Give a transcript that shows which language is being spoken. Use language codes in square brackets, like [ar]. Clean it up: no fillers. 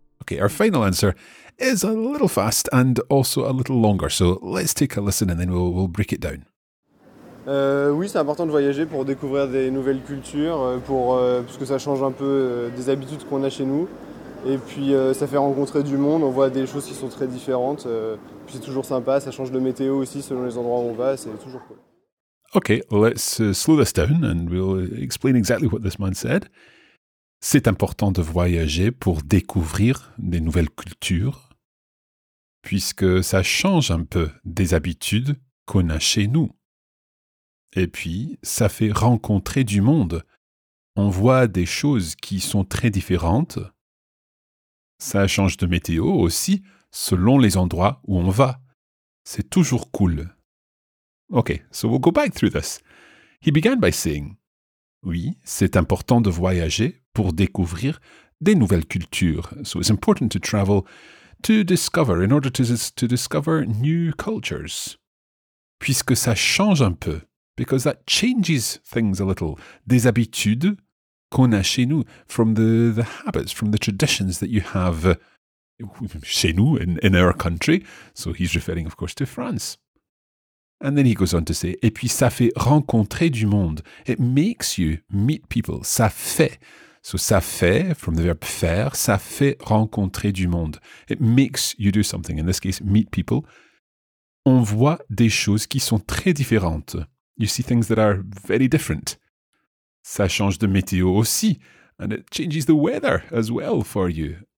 [en] Okay, our final answer is a little fast and also a little longer. So let's take a listen and then we'll break it down. [fr] Oui, c'est important de voyager pour découvrir des nouvelles cultures, parce que ça change un peu des habitudes qu'on a chez nous. Et puis ça fait rencontrer du monde, on voit des choses qui sont très différentes. Puis c'est toujours sympa, ça change de météo aussi selon les endroits où on va, c'est toujours cool. [en] Okay, let's slow this down and we'll explain exactly what this man said. [fr] C'est important de voyager pour découvrir des nouvelles cultures, puisque ça change un peu des habitudes qu'on a chez nous. Et puis, ça fait rencontrer du monde. On voit des choses qui sont très différentes. Ça change de météo aussi, selon les endroits où on va. C'est toujours cool. [en] Okay, so we'll go back through this. He began by saying, [fr] oui, c'est important de voyager pour découvrir des nouvelles cultures. [en] So it's important to travel to discover, in order to discover new cultures. [fr] Puisque ça change un peu, [en] because that changes things a little, [fr] des habitudes qu'on a chez nous, [en] from the habits, from the traditions that you have [fr] chez nous, [en] in our country. So he's referring, of course, to France. And then he goes on to say, [fr] et puis ça fait rencontrer du monde. [en] It makes you meet people. [fr] Ça fait. So ça fait, [en] from the verb faire, [fr] ça fait rencontrer du monde. [en] It makes you do something. In this case, meet people. [fr] On voit des choses qui sont très différentes. [en] You see things that are very different. [fr] Ça change de météo aussi. [en] And it changes the weather as well for you.